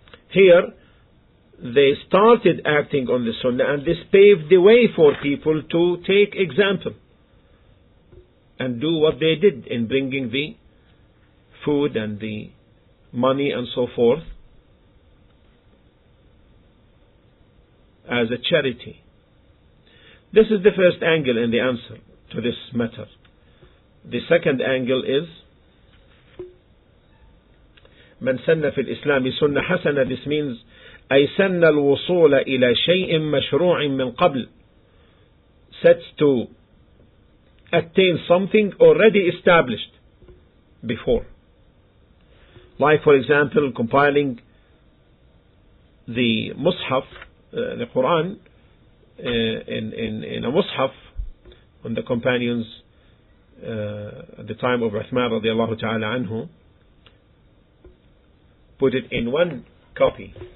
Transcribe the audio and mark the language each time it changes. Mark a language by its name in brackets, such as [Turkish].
[English] Here they started acting on the sunnah, and this paved the way for people to take example and do what they did in bringing the food and the money and so forth as a charity. This is the first angle in the answer to this matter. The second angle is [Arabic] من سن في الإسلام سنة حسنة. [English] This means [Arabic] أي سن الوصول إلى شيء مشروع من قبل. [English] Sets to attain something already established before. Like for example, compiling the Mus'haf, the Quran, in a Mus'haf on the companions at the time of Uthman radiallahu ta'ala anhu, put it in one copy.